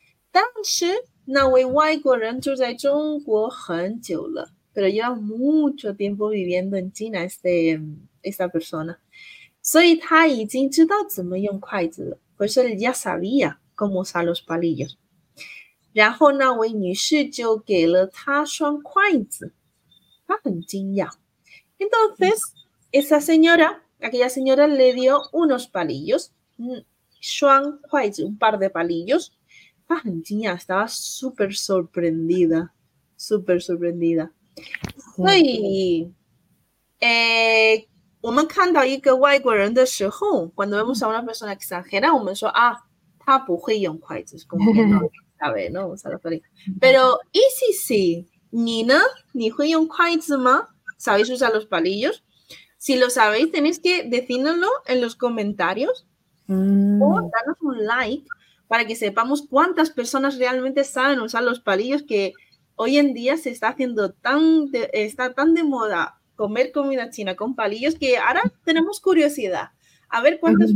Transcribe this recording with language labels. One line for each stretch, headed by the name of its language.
Chinese: 但是那位外国人住在中国很久了,
Spanish: pero lleva mucho tiempo viviendo en China esta persona.
Chinese: 所以他已经知道怎么用筷子了。
Spanish: Pues él ya sabía cómo usar los palillos.
Chinese: 然后那位女士就给了她双筷子。她很惊讶。
Spanish: Entonces, esa señora, aquella señora le dio unos palillos,
Chinese: 双筷子,
Spanish: un par de palillos.
Chinese: 她很惊讶,
Spanish: estaba súper sorprendida. Súper sorprendida.
Chinese: 所以、我们看到一个外国人的时候
Spanish: cuando vemos a una persona extranjera
Chinese: 我们说啊他不会用筷子是
Spanish: como que no sabe, ¿no? pero y si si
Chinese: 你呢你会用筷子吗
Spanish: sabéis usar los palillos si lo sabéis tenéis que decírnoslo en los comentarios、o darnos un like para que sepamos cuántas personas realmente saben usar los palillos que hoy en día se está haciendo tan de, está tan de modacomer comida china con palillos que ahora tenemos curiosidad a ver cuántas、uh-huh.